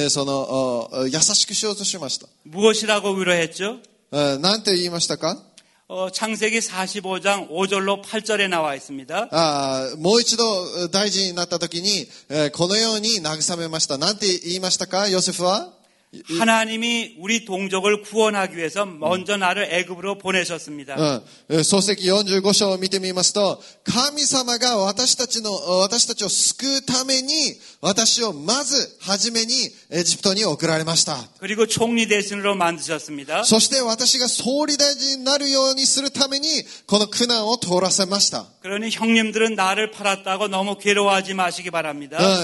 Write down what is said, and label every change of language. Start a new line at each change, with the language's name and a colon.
Japanese: 本当にそのお兄ちゃんたちに会った時に優しくしようとしました。
Korean: 무엇이라고 위로했죠?
Japanese: 何て言いましたか?
Korean: 창세기 45장 5절로 8절에 나와 있습니다.
Japanese: もう一度大臣になった時にこのように慰めました。何て言いましたか、ヨセフは?
Korean: 하나님이 우리 동족을 구원하기 위해서 먼저 나를 애굽으로 보내셨습니다. 소세기 45장을
Japanese: 見てみますと 神様が私たちの私たちを救うために私をまず初めにエジプトに送られました。
Korean: 그리고 총리 대신으로 만드셨습니다.
Japanese: そして私が総理大臣になるようにするためにこの苦難を通らせました。
Korean: 그러니 형님들은 나를 팔았다고 너무 괴로워하지 마시기 바랍니다.